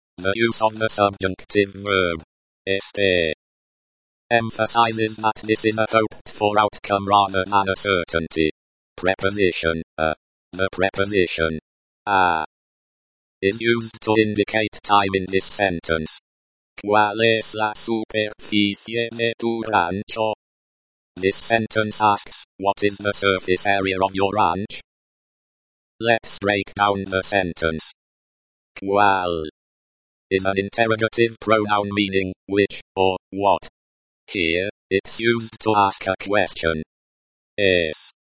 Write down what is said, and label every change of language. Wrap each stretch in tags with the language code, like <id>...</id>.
<en>The use of the subjunctive verb. Este. Emphasizes that this is a hoped-for outcome rather than a certainty. Preposition, a. The preposition. Is used to indicate time in this sentence.</en> <es>¿Cuál es la superficie de tu rancho?</es> <en>This sentence asks, what is the surface area of your ranch? Let's break down the sentence. ¿Cuál? Is an interrogative pronoun meaning, which, or, what. Here, it's used to ask a question. Es.</en>